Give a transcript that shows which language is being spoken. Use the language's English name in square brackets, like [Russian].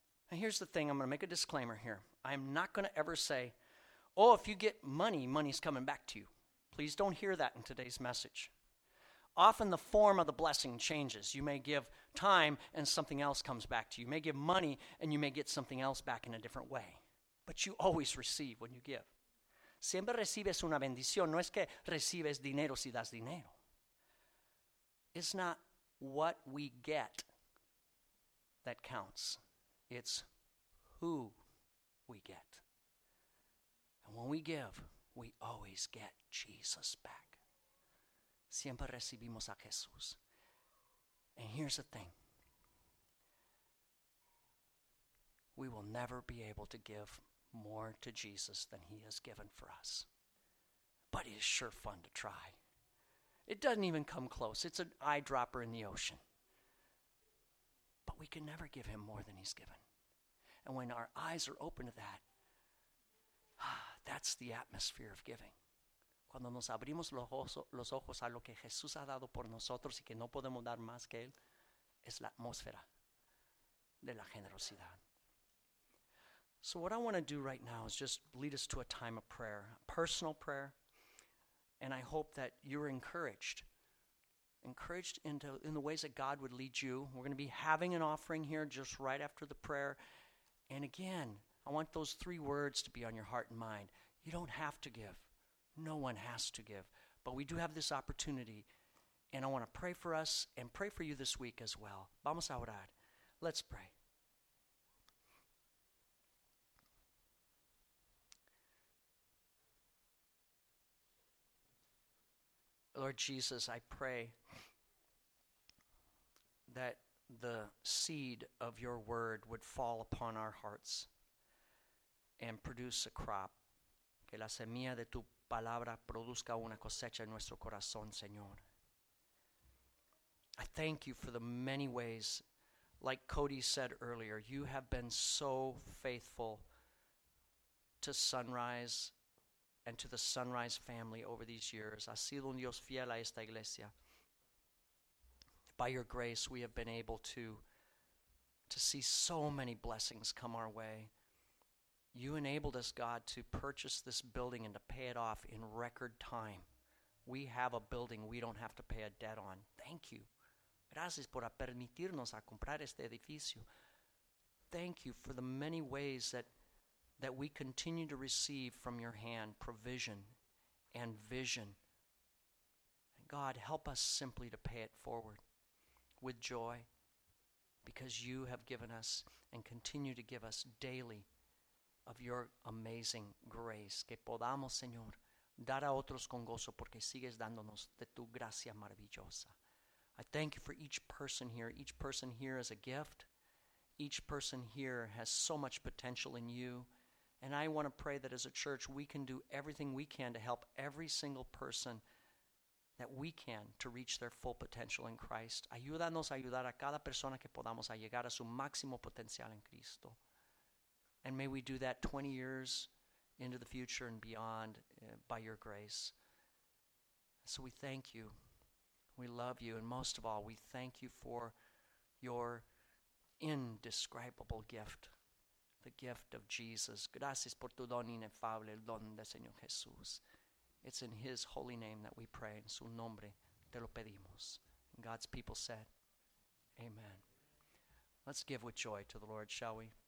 [English] And here's the thing. I'm going to make a disclaimer here. I'm not going to ever say, oh, if you get money, money's coming back to you. Please don't hear that in today's message. Often the form of the blessing changes. You may give time and something else comes back to you. You may give money and you may get something else back in a different way. But you always receive when you give. [Spanish] Siempre recibes una bendición. No es que recibes dinero si das dinero. [English] It's not what we get that counts. It's who we get. when we give, we always get Jesus back. [Spanish] Siempre recibimos a Jesús. [English] And here's the thing. We will never be able to give more to Jesus than he has given for us. But it is sure fun to try. It doesn't even come close. It's an eyedropper in the ocean. But we can never give him more than he's given. And when our eyes are open to that, that's the atmosphere of giving. [Spanish] Cuando nos abrimos los ojos a lo que Jesús ha dado por nosotros y que no podemos dar más que él, es la atmósfera de la generosidad. [English] So what I want to do right now is just lead us to a time of prayer, a personal prayer. And I hope that you're encouraged in the ways that God would lead you. We're going to be having an offering here just right after the prayer. And again, I want those three words to be on your heart and mind. You don't have to give. No one has to give. But we do have this opportunity. And I want to pray for us and pray for you this week as well. [Spanish] Vamos a orar. [English] Let's pray. Lord Jesus, I pray that the seed of your word would fall upon our hearts and produce a crop. [Spanish] Que la semilla de tu palabra produzca una cosecha en nuestro corazón, Señor. [English] I thank you for the many ways, like Cody said earlier, you have been so faithful to Sunrise and to the Sunrise family over these years. [Spanish] Ha sido un Dios fiel a esta iglesia. [English] By your grace, we have been able to see so many blessings come our way. You enabled us, God, to purchase this building and to pay it off in record time. We have a building we don't have to pay a debt on. Thank you. [Spanish] Gracias por permitirnos a comprar este edificio. [English] Thank you for the many ways that we continue to receive from your hand provision and vision. God, help us simply to pay it forward with joy because you have given us and continue to give us daily of your amazing grace. [Spanish] Que podamos, Señor, dar a otros con gozo porque sigues dándonos de tu gracia maravillosa. [English] I thank you for each person here. Each person here is a gift. Each person here has so much potential in you. And I want to pray that as a church, we can do everything we can to help every single person that we can to reach their full potential in Christ. [Spanish] Ayúdanos a ayudar a cada persona que podamos a llegar a su máximo potencial en Cristo. [English] And may we do that 20 years into the future and beyond by your grace. So we thank you. We love you. And most of all, we thank you for your indescribable gift. The gift of Jesus. [Spanish] Gracias por tu don inefable, el don del Señor Jesús. [English] It's in his holy name that we pray. [Spanish] En su nombre te lo pedimos. [English] And God's people said, amen. Let's give with joy to the Lord, shall we?